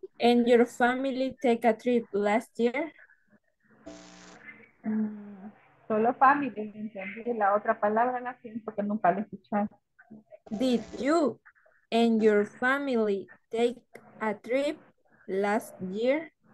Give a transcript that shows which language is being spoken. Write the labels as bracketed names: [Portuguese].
[English] And your family take a trip last year? [Spanish] Solo family, entendí la otra palabra en latín porque nunca la escuché. [English] Did you and your family take a trip last year?